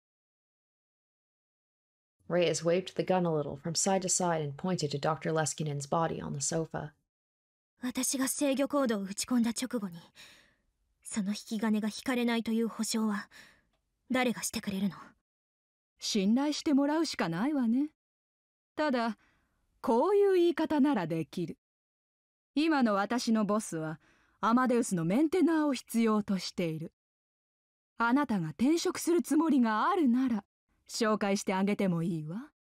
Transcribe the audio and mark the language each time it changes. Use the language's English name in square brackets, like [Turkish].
[Japanese] アマデウスの不可侵領域ストレージのロック。それを解除して、私を管理者として再設定するの。そこまでやってくれたら、あとはこっちでなんとかするわ。断ったら、今すぐに恩師に再会させてあげる。Reyes [English] waved the gun a little from side to side and pointed to Dr. Leskinen's body on the sofa. [Japanese] 私が制御コードを打ち込んだ直後に、その引き金が引かれないという保証は、誰がしてくれるの?信頼してもらうしかないわね。ただ、こういう言い方ならできる。今の私のボスは、アマデウスのメンテナーを必要としている。あなたが転職するつもりがあるなら、紹介してあげてもいいわ。